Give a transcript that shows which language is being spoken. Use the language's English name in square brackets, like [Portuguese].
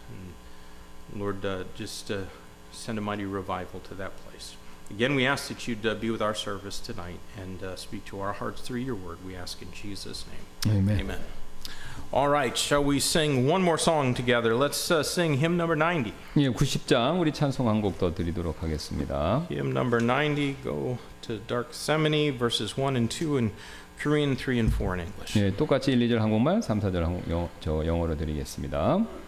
[English] And Lord, send a mighty revival to that place. Again, we ask that you'd be with our service tonight and speak to our hearts through your word. We ask in Jesus' name. Amen. Amen. All right, shall we sing one more song together? Let's sing hymn number 90. [Korean] 예, 90장 우리 찬송 한 곡 더 드리도록 하겠습니다. [English] Hymn number 90, go to Dark Semini, verses 1 and 2 in Korean, 3 and 4 in English. [Korean] 예, 똑같이 1, 2절 한국말, 3, 4절 영어로 드리겠습니다.